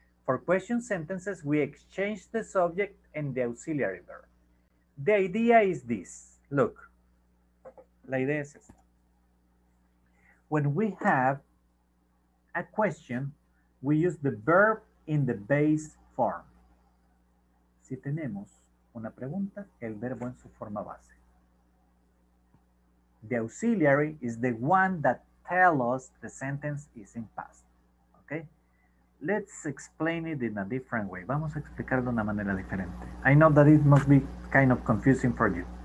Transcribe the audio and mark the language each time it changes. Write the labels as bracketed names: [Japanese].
[English] For question sentences, we exchange the subject and the auxiliary verb. The idea is this. Look. [Spanish] La idea es esta. [English] When we have a question, we use the verb in the base form. [Spanish] Si tenemos una pregunta, el verbo en su forma base. [English] The auxiliary is the one that tells us the sentence is in past. Okay? Let's explain it in a different way. [Spanish] Vamos a explicarlo de una manera diferente. [English] I know that it must be kind of confusing for you.